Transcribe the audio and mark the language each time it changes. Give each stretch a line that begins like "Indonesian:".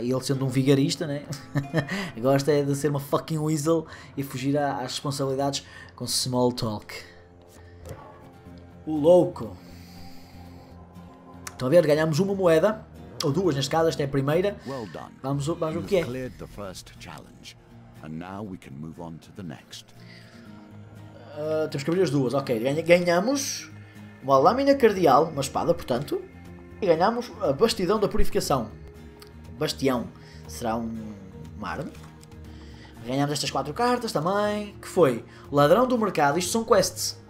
Portuguese: E ele, sendo um vigarista, né? Gosta é de ser uma
English: fucking weasel
Portuguese: e fugir às responsabilidades com small talk. O louco. Estão a ver, ganhamos uma moeda, ou duas neste caso, esta é a primeira. Vamos o que é. Você
English: cleared the first challenge, and now we can move on to the next.
Portuguese: Temos que abrir as duas, ok. Ganhamos uma lâmina cardial, uma espada, portanto, e ganhamos a bastidão da purificação. Bastião será um arma. Ganhamos estas 4 cartas também, que foi ladrão do mercado. Isto são quests.